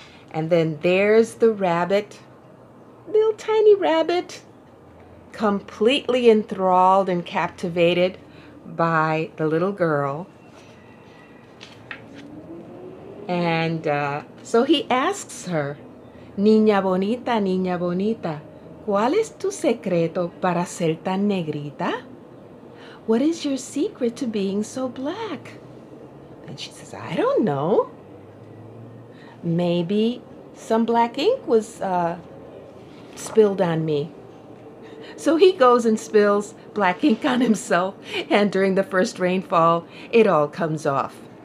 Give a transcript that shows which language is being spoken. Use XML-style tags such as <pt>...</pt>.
<en>And then there's the rabbit, little tiny rabbit, completely enthralled and captivated by the little girl. And so he asks her,</en> <es>Niña bonita, ¿cuál es tu secreto para ser tan negrita?</es> <en>What is your secret to being so black? And she says, I don't know. Maybe some black ink was spilled on me. So he goes and spills black ink on himself, and during the first rainfall, it all comes off.</en>